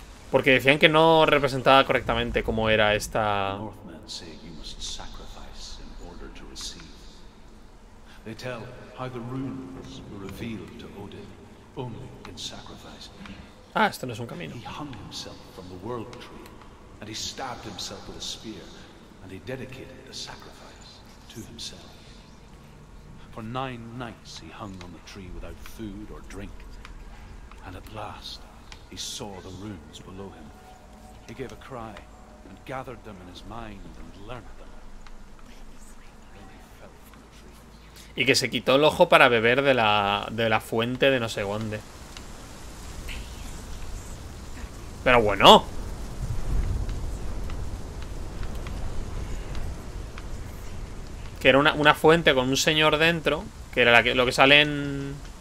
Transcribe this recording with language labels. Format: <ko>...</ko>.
<es>Porque decían que no representaba correctamente cómo era esta.</es> <en>Northmen say you must sacrifice in order to receive. They tell how the runes were revealed to Odin only in sacrifice.</en> <es>Ah, esto no es un camino.</es> <en>He hung himself from the world tree, and he stabbed himself with a spear, and he dedicated the sacrifice to himself. For 9 nights he hung on the tree without food or drink, and at last. He saw the runes below him. He gave a cry and gathered them in his mind and learned them.</en> <es>Y que se quitó el ojo para beber de la fuente de no sé dónde. Pero bueno. Que era una fuente con un señor dentro, que era lo que sale en.</es>